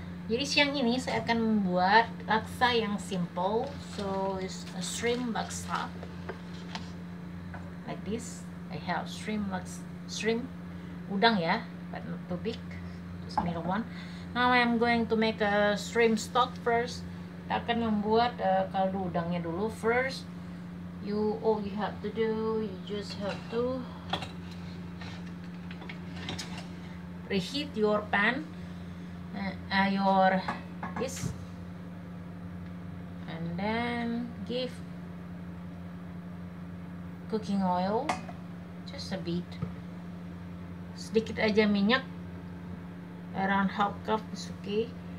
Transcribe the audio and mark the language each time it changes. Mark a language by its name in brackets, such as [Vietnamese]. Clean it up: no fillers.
[Indonesian] Jadi siang ini saya akan membuat laksa yang simple. [English] So it's a shrimp laksa. Like this. I have shrimp laksa, shrimp [Indonesian] udang ya, [English] but not too big. Just middle one. Now I'm going to make a shrimp stock first. [Indonesian] Saya akan membuat kaldu udangnya dulu first. [English] You just have to reheat your pan, and then give cooking oil, just a bit, [Indonesian] sedikit aja minyak, [English] around half cup is okay.